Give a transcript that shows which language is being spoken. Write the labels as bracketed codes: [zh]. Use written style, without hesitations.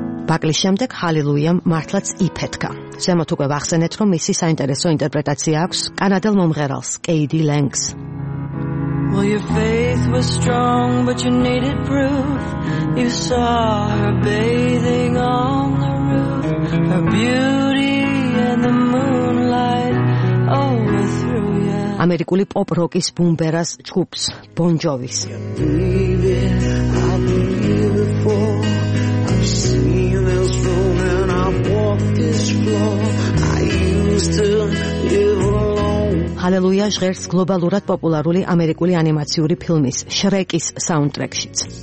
[ka] ბაკლის შემდეგ ჰალელუიამ მართლაც იფეთქა. ზემოთ უკვე ვახსენეთ, რომ მისი საინტერესო ინტერპრეტაცია აქვს კანადელ მომღერალს, კეიდი ლენგს. [en] Well, your faith was strong, but you needed proof. You saw her bathing on the roof. Her beauty and the moonlight overthrew you. [ka] Ამერიკული პოპ-როკის ბუმბერას ჯგუფს Bon Jovi's. Hallelujah ჟღერს გლობალურად პოპულარული ამერიკული ანიმაციური ფილმის Shrek-ის საუნდტრეკშიც.